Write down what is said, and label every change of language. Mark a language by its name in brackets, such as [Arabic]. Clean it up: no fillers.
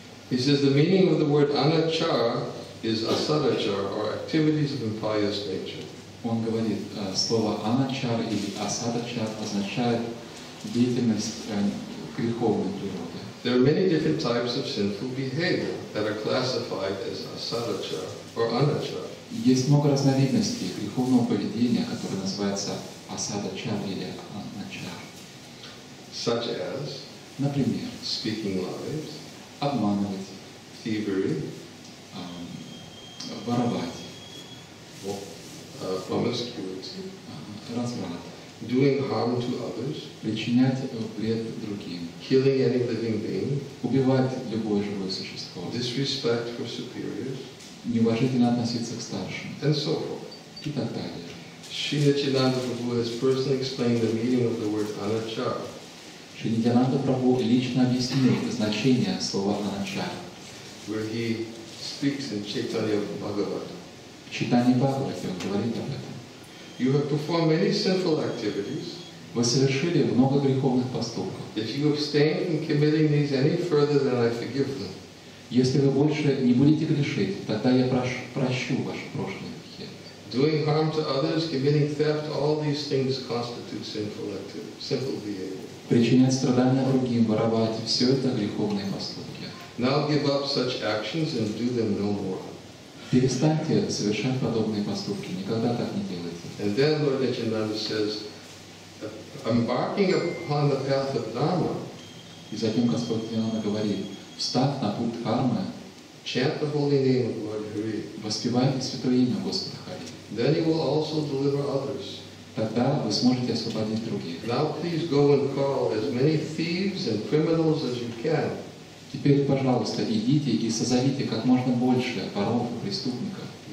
[English] He says the meaning of the word anachar is asadachar, or activities of impious nature. [Russian] Он говорит, слово анчар или асадачар означает деятельность греховной природы. [English] There are many different types of sinful behavior that are classified as asadachar or anachar. [Russian] Есть много разновидностей греховного поведения, которое называется асадачар или анчар. [English] Such as, [Russian] например, [English] speaking lies, [Russian] обманывать, [English] thievery, [Russian] воровать. [English] Promiscuity, [Russian] разврат, [English] doing harm to others, [Russian] причинять вред другим, [English] killing any living being, [Russian] убивать любое живое существо, [English] disrespect for superiors, [Russian] неуважительно относиться к старшим, [English] and so forth. [Russian] И так далее. [English] Шри Нитьянанда Прабху has personally explained the meaning of the word anachar. [Russian] Шри Нитьянанда Прабху лично объяснил значение слова anachar. [English] Where he speaks in Chaitanya Bhagavata. [Russian] В читании Бхагавате он говорит об этом. [English] You have performed many sinful activities. [Russian] Вы совершили много греховных поступков. [English] If you abstain from committing these any further, then I forgive them. [Russian] Если вы больше не будете грешить, тогда я прощу ваши прошлые грехи. [English] Doing harm to others, committing theft, all these things constitute sinful activity, sinful behavior. [Russian] Причинять страдания другим, воровать, все это греховные поступки. [English] Now give up such actions and do them no more. [Russian] Перестаньте совершать подобные поступки. Никогда так не делайте. [English] And then Lord Nityananda says, embarking upon the path of Dharma. [Russian] И затем Господь Нитьянанда говорит, встав на путь Дхармы, [English] chant the holy name of Lord Hari. [Russian] Воспевайте святое имя Господа Хари. [English] Then you will also deliver others. [Russian] Тогда вы сможете освободить других. [English] Now please go and call as many thieves and criminals as you can. [Russian] Теперь, пожалуйста, идите и созовите как можно больше воров и преступников.